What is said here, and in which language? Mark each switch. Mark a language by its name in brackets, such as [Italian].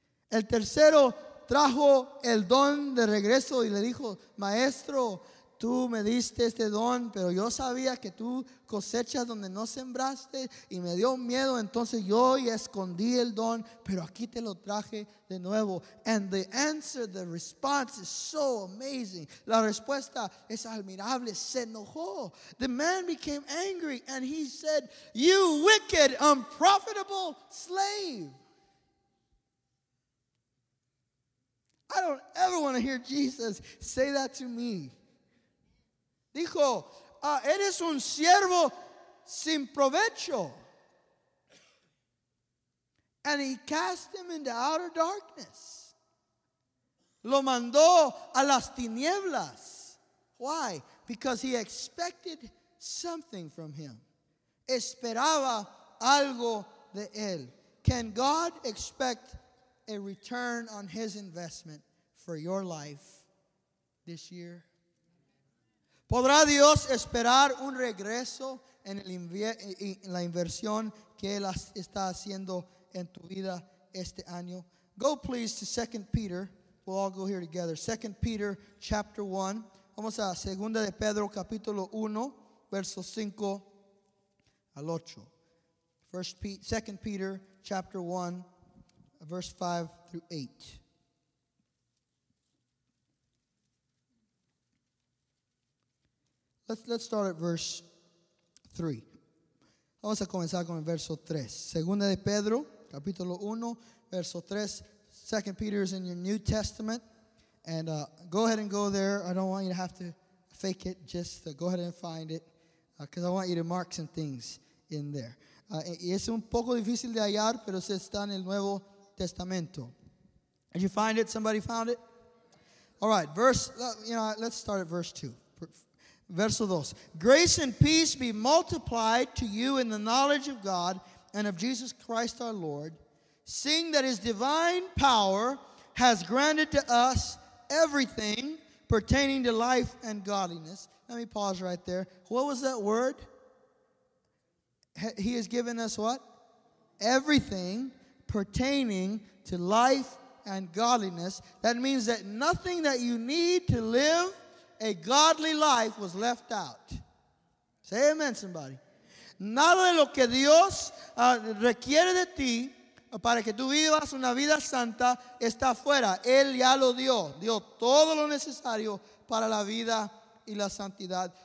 [Spanish] El tercero trajo el don de regreso y le dijo, Maestro, tú me diste este don, pero yo sabía que tú cosechas donde no sembraste y me dio miedo, entonces yo ya escondí el don, pero aquí te lo traje de nuevo. [English] And the answer, the response is so amazing. [Spanish] La respuesta es admirable. Se enojó. [English] The man became angry and he said, You wicked, unprofitable slave. I don't ever want to hear Jesus say that to me. [Spanish] Dijo, eres un siervo sin provecho. [English] And he cast him into outer darkness. [Spanish] Lo mandó a las tinieblas. [English] Why? Because he expected something from him. [Spanish] Esperaba algo de él. [English] Can God expect a return on his investment for your life this year? [Spanish] ¿Podrá Dios esperar un regreso en la inversión que Él está haciendo en tu vida este año? [English] Go please to 2 Peter. We'll all go here together. 2 Peter chapter 1. [Spanish] Vamos a 2 de Pedro capítulo 1, verso 5 al 8. [English] 2 Peter chapter 1, verse 5 through 8. Let's start at verse 3. [Spanish] Vamos a comenzar con el verso 3. Segunda de Pedro, capítulo 1, verso 3. [English] Second Peter is in your New Testament. And go ahead and go there. I don't want you to have to fake it. Just go ahead and find it. Because I want you to mark some things in there. [Spanish] Y es un poco difícil de hallar, pero se está en el Nuevo Testamento. [English] Did you find it? Somebody found it? All right. Let's start at verse 2. Verso 2, grace and peace be multiplied to you in the knowledge of God and of Jesus Christ our Lord, seeing that his divine power has granted to us everything pertaining to life and godliness. Let me pause right there. What was that word? He has given us what? Everything pertaining to life and godliness. That means that nothing that you need to live a godly life was left out. Say amen, somebody. [Spanish] Nada de lo que Dios requiere de ti para que tú vivas una vida santa está fuera. Él ya lo dio. Dio todo lo necesario para la vida y la santidad.